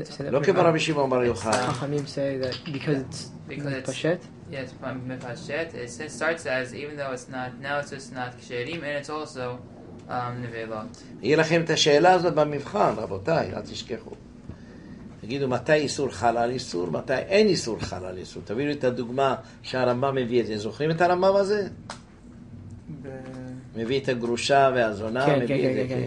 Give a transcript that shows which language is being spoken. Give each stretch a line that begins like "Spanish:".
Hebrew: לא כמו רבי שמעון בר יוחאי. חכמים אומרים, בגלל מתפשט?
English: Yes, מתפשט. It starts as, even though it's not, now it's just not כשרים, and it's also נבלות.
Hebrew: יהיה לכם את השאלה הזאת במבחן, רבותיי, אל תשכחו. תגידו, מתי איסור חלל איסור? מתי אין איסור חלל איסור? תביאו את הדוגמה שהרמב״ם מביא את זה. זוכרים את הרמב״ם הזה? מביא את הגרושה והזונה, כן, מביא כן, את כן, זה,